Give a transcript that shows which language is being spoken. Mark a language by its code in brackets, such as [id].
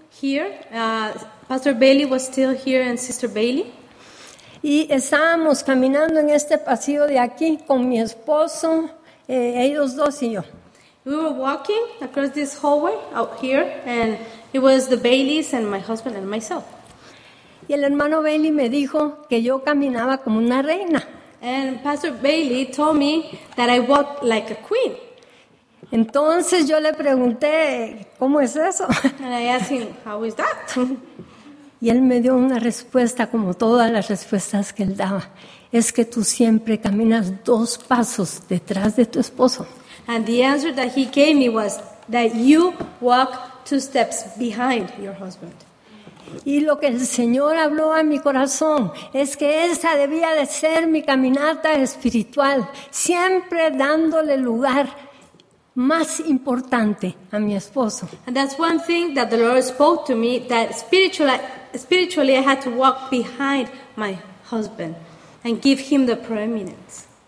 [en] Here, Pastor Bailey was still here and Sister Bailey. [es] Y estábamos caminando en este pasillo de aquí con mi esposo, ellos dos y yo. [en] We were walking across this hallway out here, and it was the Baileys and my husband and myself. [es] Y el hermano Bailey me dijo que yo caminaba como una reina. [en] And Pastor Bailey told me that I walked like a queen. [es] Entonces yo le pregunté, ¿cómo es eso? [en] And I asked him, how is that? [es] Y él me dio una respuesta como todas las respuestas que él daba. Es que tú siempre caminas dos pasos detrás de tu esposo. [en] And the answer that he gave me was that you walk two steps behind your husband. [es] Y lo que el Señor habló a mi corazón es que esa debía de ser mi caminata espiritual, siempre dándole lugar más importante a mi esposo. [en] And that's one thing that the Lord spoke to me, that spiritually I had to walk behind my husband and give him the preeminence.